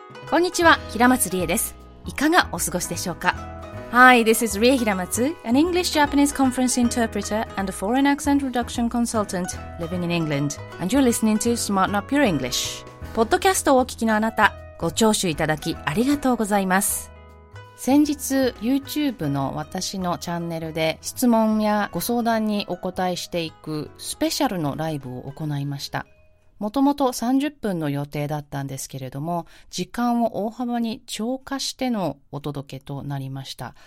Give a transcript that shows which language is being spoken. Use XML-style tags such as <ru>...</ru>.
<ja>こんにちは、平松理恵です。いかがお過ごしでしょうか。</ja> <en>Hi, this is Rie Hiramatsu, an English-Japanese conference interpreter and a foreign accent reduction consultant living in England. And you're listening to Smarten Up Your English.</en> <ja>ポッドキャストをお聞きのあなた、ご聴取いただきありがとうございます。先日 YouTube の私のチャンネルで質問やご相談にお答えしていくスペシャルのライブを行いました。もともと30分の予定だったんですけれども、時間を大幅に超過してのお届けとなりました。</ja>